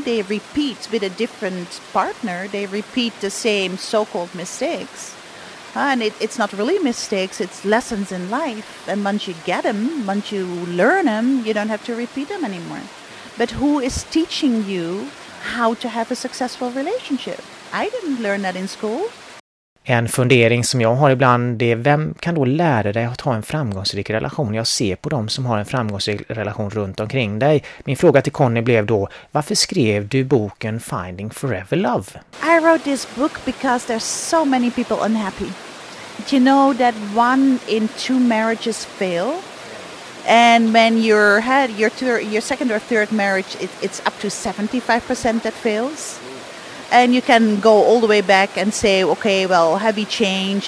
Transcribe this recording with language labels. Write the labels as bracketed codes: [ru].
[en] They repeat with a different partner. They repeat the same so-called mistakes. And it's not really mistakes. It's lessons in life. And once you get them, once you learn them, you don't have to repeat them anymore. But who is teaching you how to have a successful relationship? I didn't learn that in school. [sv] En fundering som jag har ibland är, vem kan då lära dig att ha en framgångsrik relation? Jag ser på dem som har en framgångsrik relation runt omkring dig. Min fråga till Conny blev då, varför skrev du boken Finding Forever Love? [en] I wrote this book because there's so many people unhappy. Do you know that one in two marriages fail? And when your second or third marriage, it's up to 75% that fails? And you can go all the way back and say, okay, well, have we changed?